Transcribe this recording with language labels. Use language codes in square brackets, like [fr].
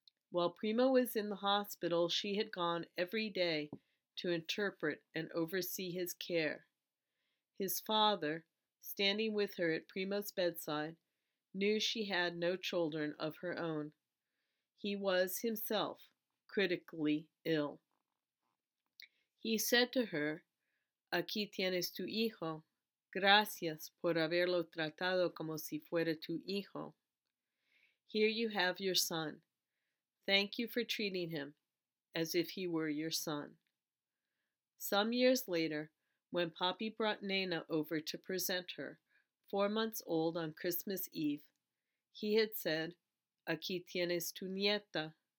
[en] While Primo was in the hospital, she had gone every day to interpret and oversee his care. His father, standing with her at Primo's bedside, knew she had no children of her own. He was himself critically ill. He said to her, [es] "Aquí tienes tu hijo. Gracias por haberlo tratado como si fuera tu hijo." [en] Here you have your son. Thank you for treating him as if he were your son. Some years later, when Poppy brought Nena over to present her, 4 months old on Christmas Eve, he had said, [es] "Aquí tienes tu nieta."